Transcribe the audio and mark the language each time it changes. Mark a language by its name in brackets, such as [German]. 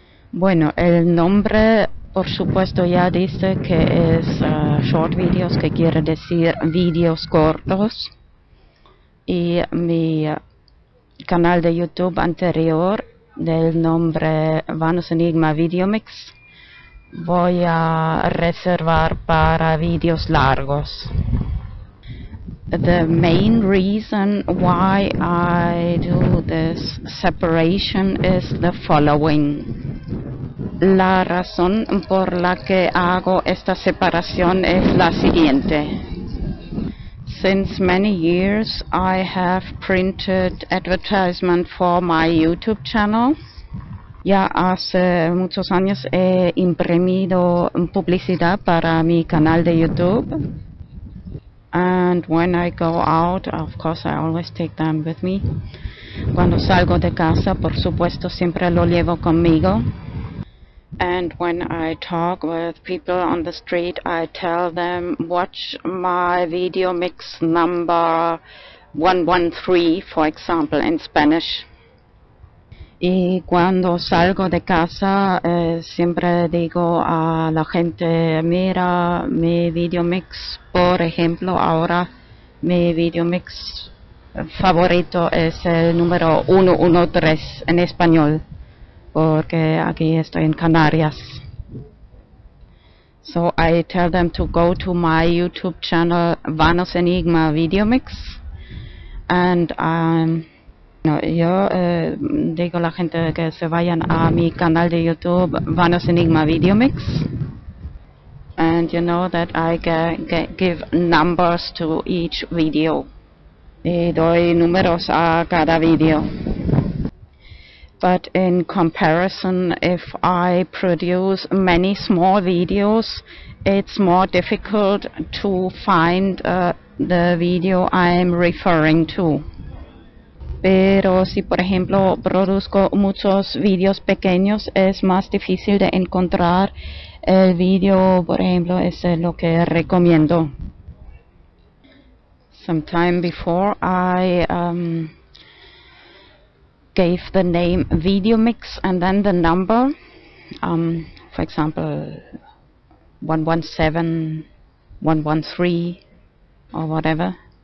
[Spanish] Bueno, el nombre, por supuesto, ya dice que es short videos, que quiere decir videos cortos. Y mi canal de YouTube anterior, del nombre Vanos Enigma Video Mix, voy a reservar para videos largos. [English] The main reason why I do this separation is the following. [Spanish] La razón por la que hago esta separación es la siguiente. [English] Since many years, I have printed advertisement for my YouTube channel. [Spanish] Ya hace muchos años he imprimido publicidad para mi canal de YouTube. [English] And when I go out, of course, I always take them with me. [Spanish] Cuando salgo de casa, por supuesto, siempre lo llevo conmigo. [English] And when I talk with people on the street, I tell them, watch my video mix number 113, for example, in Spanish. [Spanish] Y cuando salgo de casa, siempre digo a la gente, mira mi video mix, por ejemplo, ahora mi video mix favorito es el número 113 en español. Porque aquí estoy en Canarias. [English] So I tell them to go to my YouTube channel, Vanos Enigma Video Mix. [Spanish] And yo digo a la gente que se vayan a mi canal de YouTube, Vanos Enigma Video Mix. [English] And you know that I give numbers to each video. [Spanish] Y doy números a cada video. [English] But in comparison, if I produce many small videos, it's more difficult to find the video I'm referring to. [Spanish] Pero si, por ejemplo, produzco muchos videos pequeños, es más difícil de encontrar el video, por ejemplo, es lo que recomiendo. [English] Sometime before I gave the name video mix and then the number, for example, 117, 113, or whatever.